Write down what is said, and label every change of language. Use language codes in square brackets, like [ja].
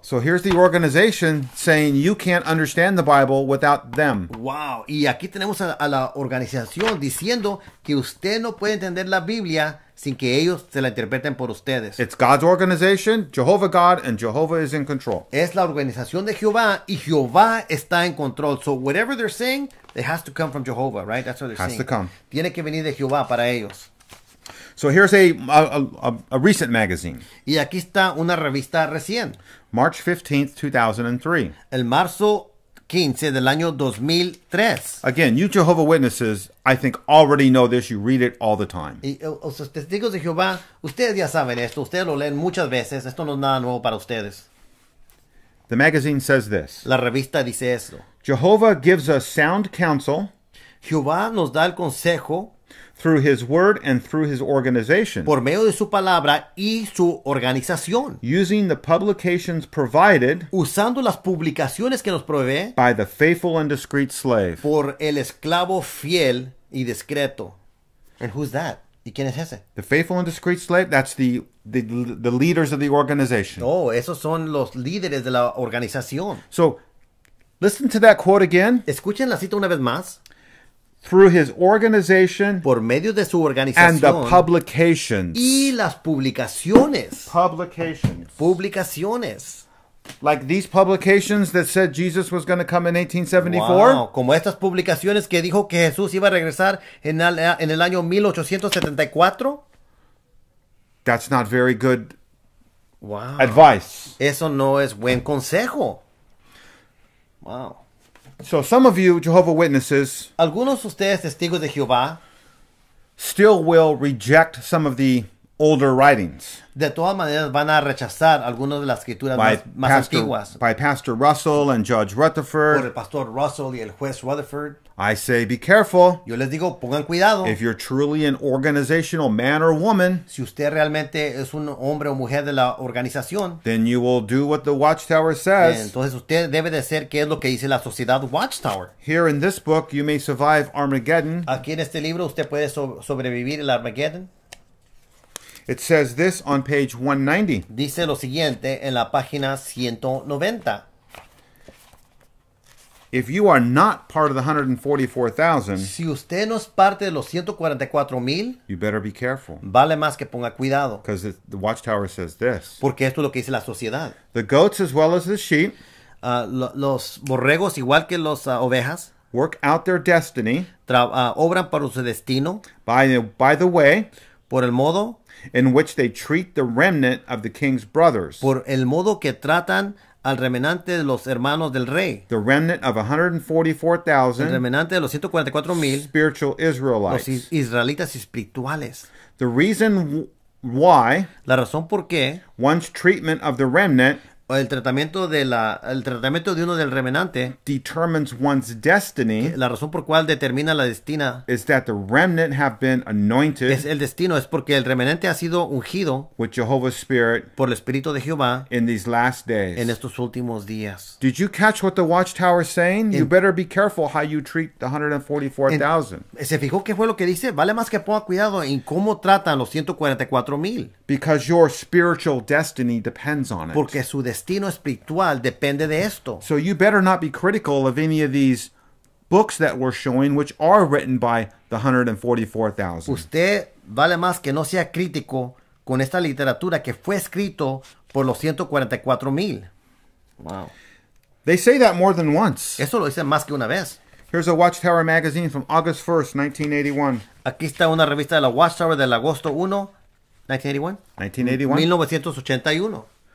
[en] So here's the organization saying you can't understand the Bible without them. Wow. [es] Y aquí tenemos a la organización diciendo que usted no puede entender la Biblia sin que ellos se la interpreten por ustedes. [en] It's God's organization, Jehovah God, and Jehovah is in control. [es] Es la organización de Jehová, y Jehová está en control. [en] So whatever they're saying, it has to come from Jehovah, right? That's what they're saying. Has to come. [es] Tiene que venir de Jehová para ellos. [en] So here's a recent magazine. [es] Y aquí está una revista recién. [en] March 15th, 2003. [es] El marzo 15 del año 2003. [en] Again, you Jehovah Witnesses, I think, already know this. You read it all the time. [es] Y los testigos de Jehová, ustedes ya saben esto. Ustedes lo leen muchas veces. Esto no es nada nuevo para ustedes. [en] The magazine says this. [es] La revista dice esto. [en] Jehovah gives us sound counsel. [es] Jehová nos da el consejo. [en] Through his word and through his organization. [es] Por medio de su palabra y su organización. [en] Using the publications provided. [es] Usando las publicaciones que nos provee. [en] By the faithful and discreet slave. [es] Por el esclavo fiel y discreto. [en] And who's that? [es] ¿Y quién es ese? [en] The faithful and discreet slave, that's the leaders of the organization. [es] Oh, esos son los líderes de la organización. [en] So, listen to that quote again. [es] Escuchen la cita una vez más. [en] Through his organization, [es] por medio de su organización, [en] and the publications, [es] y las publicaciones, [en] publicaciones, like these publications that said Jesus was going to come in 1874. [es] Wow, como estas publicaciones que dijo que Jesús iba a regresar en el año 1874. [en] That's not very good. Wow, advice. [es] Eso no es buen consejo. Wow. [en] So some of you Jehovah Witnesses, [es] algunos ustedes testigos de Jehová, [en] still will reject some of the older writings. [es] De todas maneras van a rechazar algunas de las escrituras más antiguas. [en] By Pastor Russell and Judge Rutherford. [es] Por el Pastor Russell y el juez Rutherford. [en] I say be careful. [es] Yo les digo, pongan cuidado. [en] If you're truly an organizational man or woman, [es] si usted realmente es un hombre o mujer de la organización, [en] then you will do what the Watchtower says. [es] Entonces usted debe de hacer qué es lo que dice la sociedad Watchtower. [en] Here in this book you may survive Armageddon. [es] Aquí en este libro usted puede sobrevivir el Armageddon. [en] It says this on page 190. [es] Dice lo siguiente en la página 190. [en] If you are not part of the 144,000, [es] si usted no es parte de los 144,000, [en] you better be careful. [es] Vale más que ponga cuidado. [en] Because the Watchtower says this. [es] Porque esto es lo que dice la sociedad. [en] The goats as well as the sheep, [es] los borregos igual que los ovejas, [en] work out their destiny, [es] obran para su destino, [en] by the way, [es] por el modo, [en] in which they treat the remnant of the king's brothers. [es] Por el modo que tratan al remanente de los hermanos del rey. [en] The remnant of 144,000. [es] El remanente de los 144,000. [en] Spiritual Israelites. [es] Los israelitas espirituales. [en] The reason why. [es] La razón por qué. [en] One's treatment of the remnant. [es] El tratamiento de uno del remanente. [en] Determines one's destiny. [es] La razón por cual determina la destina. [en] Is that the remnant have been anointed. [es] Es el destino. Es porque el remanente ha sido ungido. [en] With Jehovah's Spirit. [es] Por el Espíritu de Jehová. [en] In these last days. [es] En estos últimos días. [en] Did you catch what the Watchtower is saying? You better be careful how you treat the 144,000. [es] ¿Se fijó qué fue lo que dice? Vale más que ponga cuidado en cómo tratan los 144,000. [en] Because your spiritual destiny depends on it. [es] Porque su destino espiritual depende de esto. [en] So you better not be critical of any of these books that we're showing, which are written by the 144,000. [es] Usted vale más que no sea crítico con esta literatura que fue escrito por los 144,000. [en] Wow. They say that more than once. [es] Eso lo dicen más que una vez. [en] Here's a Watchtower magazine from August 1st, 1981. [es] Aquí está una revista de la Watchtower del agosto 1, 1981.